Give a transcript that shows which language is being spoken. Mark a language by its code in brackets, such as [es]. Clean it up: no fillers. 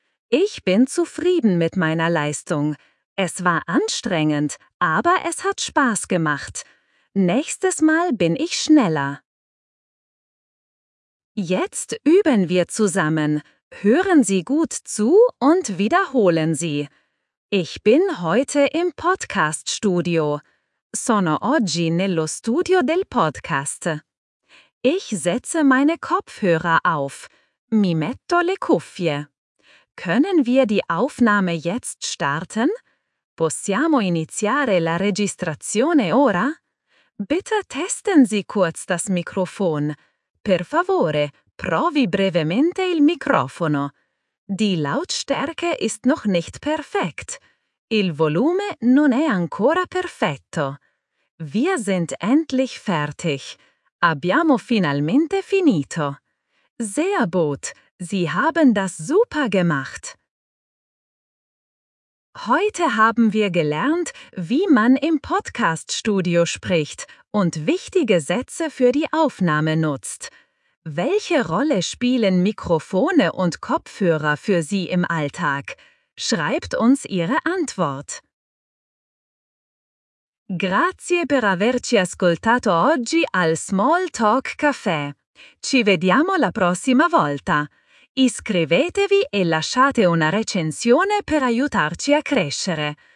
[de] Ich bin zufrieden mit meiner Leistung. Es war anstrengend, aber es hat Spaß gemacht. Nächstes Mal bin ich schneller. Jetzt üben wir zusammen. Hören Sie gut zu und wiederholen Sie. Ich bin heute im Podcast-Studio. [it] Sono oggi nello studio del podcast. [de] Ich setze meine Kopfhörer auf. [it] Mi metto le cuffie. [de] Können wir die Aufnahme jetzt starten? [it] Possiamo iniziare la registrazione ora? [de] Bitte testen Sie kurz das Mikrofon. [it] Per favore, provi brevemente il microfono. [de] Die Lautstärke ist noch nicht perfekt. [it] Il volume non è ancora perfetto. [de] Wir sind endlich fertig. [it] Abbiamo finalmente finito. [de] Sehr gut, Sie haben das super gemacht. Heute haben wir gelernt, wie man im Podcast-Studio spricht und wichtige Sätze für die Aufnahme nutzt. Welche Rolle spielen Mikrofone und Kopfhörer für Sie im Alltag? Schreibt uns Ihre Antwort. [it] Grazie per averci ascoltato oggi al Small Talk Café. Ci vediamo la prossima volta. Iscrivetevi e lasciate una recensione per aiutarci a crescere.